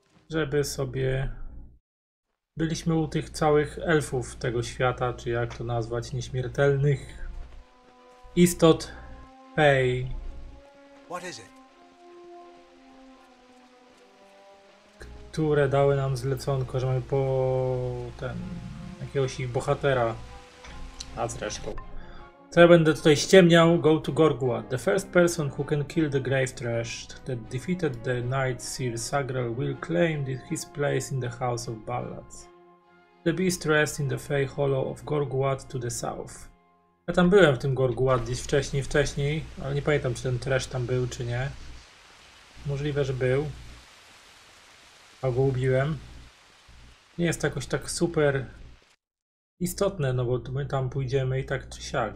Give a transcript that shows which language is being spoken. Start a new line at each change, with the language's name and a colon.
Polish: Żeby sobie... Byliśmy u tych całych elfów tego świata, czy jak to nazwać, nieśmiertelnych istot Fey. Które dały nam zleconko, że mamy po... ten... jakiegoś ich bohatera. A zresztą... To ja będę tutaj ściemniał.
English: Go to Gorgua. The first person who can kill the Grave Thresh that defeated the Night Seer Sagrel will claim his place in the House of Ballads. The beast rests in the Fey Hollow of Gorguat to the south.
Polish: Ja tam byłem w tym Gorguat gdzieś wcześniej, ale nie pamiętam, czy ten Thresh tam był, czy nie. Możliwe, że był. A go ubiłem. Nie jest to jakoś tak super istotne, no bo my tam pójdziemy i tak czy siak.